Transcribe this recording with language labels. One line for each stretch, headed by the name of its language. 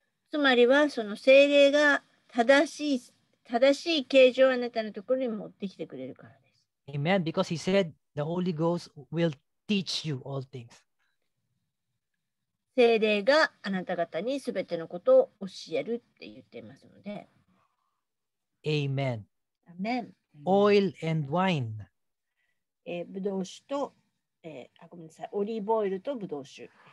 Japanese: つまりはその聖霊が正しい形状をあなたのところに持ってきてくれるからです。
English: Amen. Because he said the Holy Ghost will teach you all things.
Japanese: 聖霊があなた方にすべてのことを教えるって言っていますので。
English: Amen. Amen. Oil and wine.
Japanese: ブドウ酒と、ごめんなさい、オリーブオイルとブドウ酒、ね。